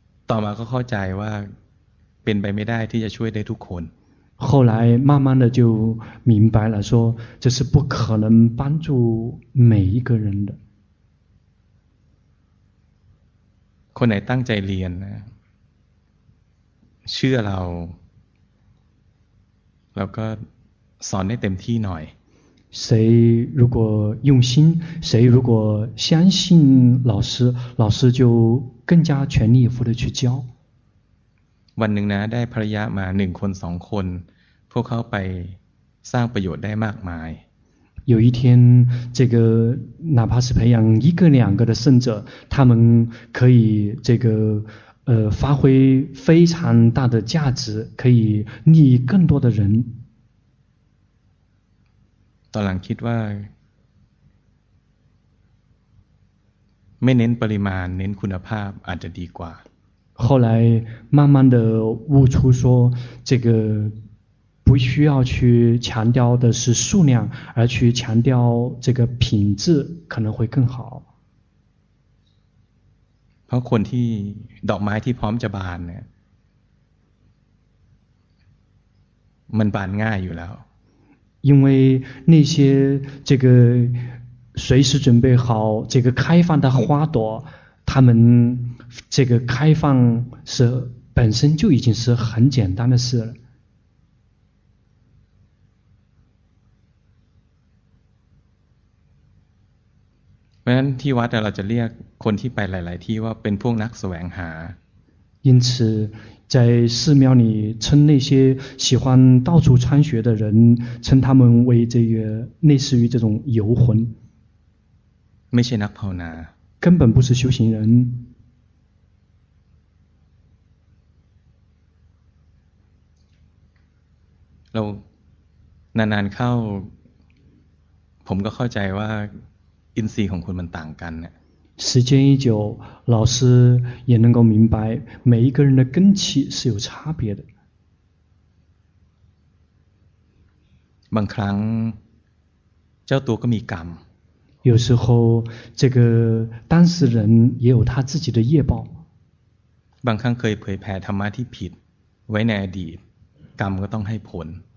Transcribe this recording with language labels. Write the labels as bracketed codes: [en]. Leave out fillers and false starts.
[th] ต่อมาก็เข้าใจว่าเป็นไปไม่ได้ที่จะช่วยได้ทุกคน [zh] 后来慢慢的就明白了说这是不可能帮助每一个人的 [th] คนไหนตั้งใจเรียนนะเชื่อเราแล้วก็สอนให้เต็มที่หน่อย [zh] 谁如果用心谁如果相信老师老师就更加全力以赴的去教 [th] วันหนึ่งนะได้ภริยามา1คน2คนพวกเขาไปสร้างประโยชน์ได้มากมาย [zh] 有一天这个哪怕是培养一个两个的圣者他们可以这个发挥非常大的价值可以利益更多的人 [th] ตอนหลังคิดว่าไม่เน้นปริมาณเน้นคุณภาพอาจจะดีกว่า [zh] 后来慢慢的悟出说这个不需要去强调的是数量而去强调这个品质可能会更好 [th] เพราะคนที่ดอกไม้ที่พร้อมจะบานเนี่ยมันบานง่ายอยู่แล้ว [zh] 因为那些这个随时准备好这个开放的花朵他们这个开放是本身就已经是很简单的事了 [th] เพราะฉะนั้นที่วัดเราจะเรียกคนที่ไปหลายๆที่ว่าเป็นพวกนักแสวงหา [zh] 因此在寺庙里称那些喜欢到处参学的人称他们为这个类似于这种游魂 [th] ไม่ใช่นักภาวนา [zh] 根本不是修行人 [th] เรานานๆเข้าผมก็เข้าใจว่าอินทรีย์ของคุณมันต่างกัน [zh] เนี่ย时间一久老师也能够明白每一个人的根气是有差别的 [th] บางครั้งเจ้าตัวก็มีกรรม [zh] 有时候这个当事人也有他自己的业报 [th] บางครั้งเคยเผยแผ่ธรรมะที่ผิดไว้ในอดีตกรรมก็ต้องให้ผล